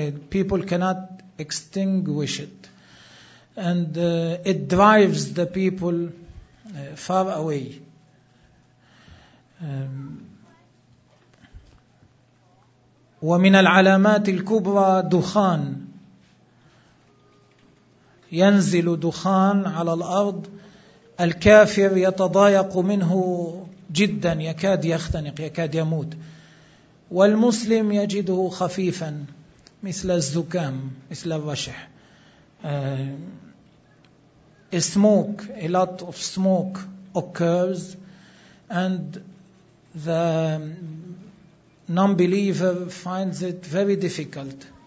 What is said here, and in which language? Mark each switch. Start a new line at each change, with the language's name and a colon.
English: people cannot extinguish it. And it drives the people far away.
Arabic: ومن العلامات الكبرى دخان ينزل دخان على الأرض الكافر يتضايق منه جدا يكاد يختنق يكاد يموت والمسلم يجده خفيفا مثل الزكام مثل الرشح.
English: A lot of smoke occurs and the non-believer finds it very difficult.